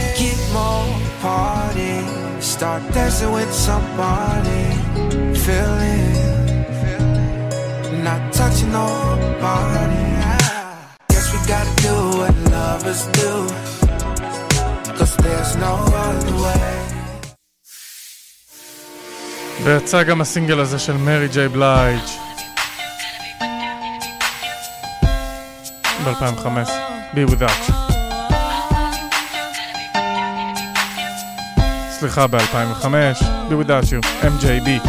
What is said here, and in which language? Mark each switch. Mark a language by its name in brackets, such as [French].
[English] Get more party. Start dancing with somebody. Feeling not touching nobody. Guess we gotta do what lovers do, 'cause there's no other way. [Hebrew] ויצא גם הסינגל הזה של מרי ג'יי בלייג' ב-2005, Be Without. סליחה, ב-2005, Be Without You, MJB.